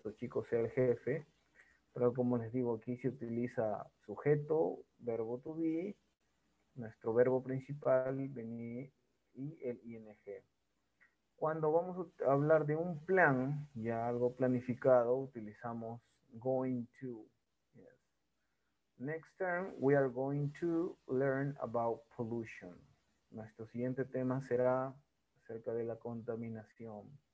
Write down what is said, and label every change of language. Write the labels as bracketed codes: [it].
[es] Toshiko sea el jefe. Pero como les digo, aquí se utiliza sujeto, verbo to be, nuestro verbo principal, venir, y el ing. Cuando vamos a hablar de un plan, ya algo planificado, utilizamos going to. Yes. [en] Next term, we are going to learn about pollution. [es] Nuestro siguiente tema será acerca de la contaminación.